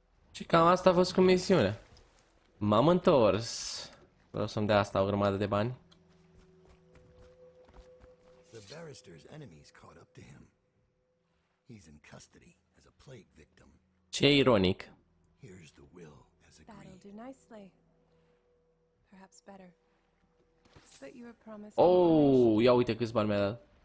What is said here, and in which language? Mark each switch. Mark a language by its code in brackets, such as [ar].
[ro] Și cam asta a fost cu misiunea. M-am întors. Vreau să-mi dea asta o grămadă de bani. [en] The barrister's enemies caught up to him. He's in custody as a plague victim. [ro] Ce ironic. [en] Here's the will as agreed. That'll do nicely. Perhaps better. But you were promised. [ro] Oh, ia uite câți bani mi-a dat.